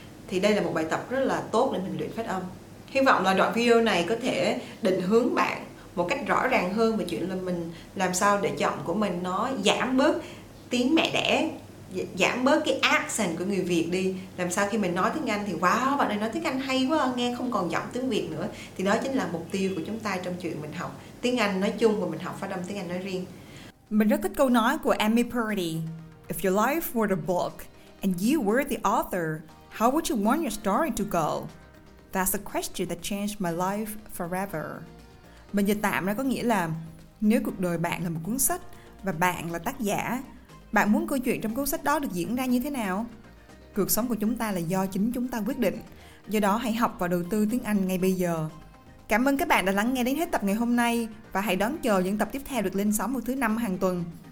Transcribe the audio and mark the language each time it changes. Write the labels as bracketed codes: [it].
[vi] Thì đây là một bài tập rất là tốt để mình luyện phát âm. Hy vọng là đoạn video này có thể định hướng bạn một cách rõ ràng hơn về chuyện là mình làm sao để giọng của mình nó giảm bớt tiếng mẹ đẻ, giảm bớt cái accent của người Việt đi. Làm sao khi mình nói tiếng Anh thì wow, bạn này nói tiếng Anh hay quá, nghe không còn giọng tiếng Việt nữa. Thì đó chính là mục tiêu của chúng ta trong chuyện mình học tiếng Anh nói chung và mình học phát âm tiếng Anh nói riêng. Mình rất thích câu nói của Amy Purdy: [en] "If your life were a book and you were the author, how would you want your story to go? That's a question that changed my life forever." [vi] Mình dịch tạm ra có nghĩa là nếu cuộc đời bạn là một cuốn sách và bạn là tác giả, bạn muốn câu chuyện trong cuốn sách đó được diễn ra như thế nào? Cuộc sống của chúng ta là do chính chúng ta quyết định. Do đó hãy học và đầu tư tiếng Anh ngay bây giờ. Cảm ơn các bạn đã lắng nghe đến hết tập ngày hôm nay và hãy đón chờ những tập tiếp theo được lên sóng vào thứ năm hàng tuần.